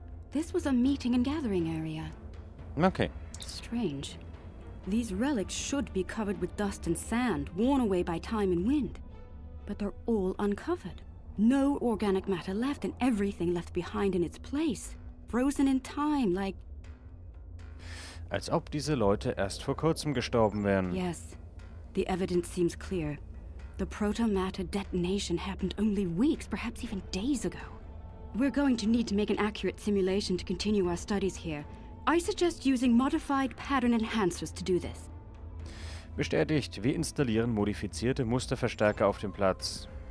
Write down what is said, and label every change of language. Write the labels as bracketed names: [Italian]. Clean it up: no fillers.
[English] This was a meeting and gathering area. Okay. Strange. These relics should be covered with dust and sand, worn away by time and wind. But they're all uncovered. No organic matter left and everything left behind in its place. Frozen in time, like... [German] Als ob diese Leute erst vor kurzem gestorben wären. [English] Yes. The evidence seems clear. The proto-matter detonation happened only weeks, perhaps even days ago. We're going to need to make an accurate simulation to continue our studies here. I suggest using modified pattern enhancers to do this. [German] Bestätigt, wir installieren modifizierte Musterverstärker auf dem Platz.